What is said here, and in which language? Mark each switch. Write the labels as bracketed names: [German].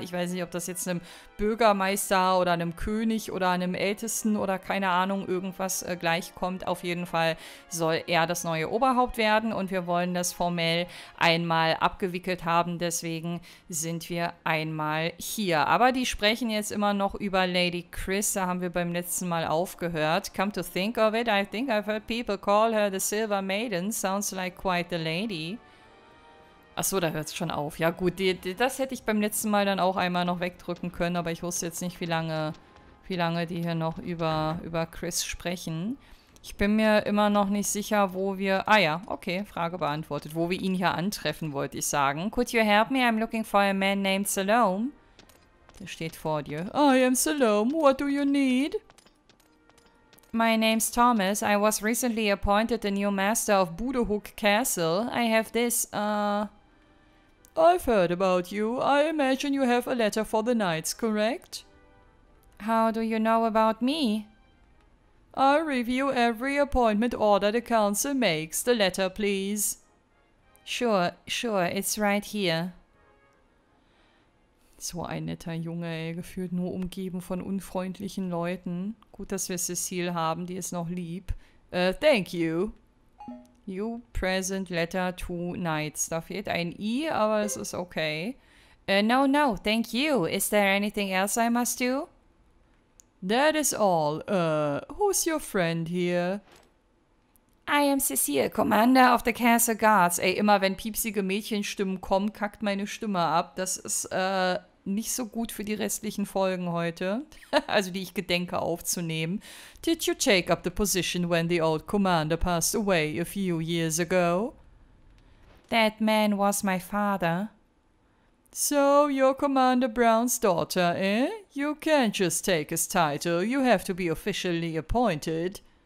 [German] Ich weiß nicht, ob das jetzt einem Bürgermeister oder einem König oder einem Ältesten oder keine Ahnung, irgendwas gleichkommt. Auf jeden Fall soll er das neue Oberhaupt werden und wir wollen das formell einmal abgewickelt haben. Deswegen sind wir einmal hier. Aber die sprechen jetzt immer noch über Lady Chris. Da haben wir beim letzten Mal aufgehört. [English] Come to think of it, I think I've heard people call her the Silver Maiden. Sounds like quite the lady. [German] Ach so, da hört es schon auf. Ja gut, das hätte ich beim letzten Mal dann auch einmal noch wegdrücken können. Aber ich wusste jetzt nicht, wie lange die hier noch über Chris sprechen. Ich bin mir immer noch nicht sicher, wo wir. Ah ja, okay, Frage beantwortet. Wo wir ihn hier antreffen, wollte ich sagen. [English] Could you help me? I'm looking for a man named Salome. [German] Der steht vor dir. [English] I am Salome. What do you need? My name's Thomas. I was recently appointed the new master of Budohook Castle. I have this, I've heard about you. I imagine you have a letter for the knights, correct? How do you know about me? I'll review every appointment order the council makes. The letter, please. Sure, it's right here. [German] So ein netter Junge, ey, gefühlt nur umgeben von unfreundlichen Leuten. Gut, dass wir Cecile haben, die ist noch lieb. [English] Thank you. You present letter to Knights. [German] Da fehlt ein I, aber es ist okay. [English] No, thank you. Is there anything else I must do? That is all. Who's your friend here? I am Cecile, Commander of the Castle Guards. [German] Ey, immer wenn piepsige Mädchenstimmen kommen, kackt meine Stimme ab. Das ist nicht so gut für die restlichen Folgen heute. Also die ich gedenke aufzunehmen. [English] Did you take up the position when the old commander passed away a few years ago? That man was my father. So, you're Commander Brown's daughter, eh? You can't just take his title. You have to be officially appointed.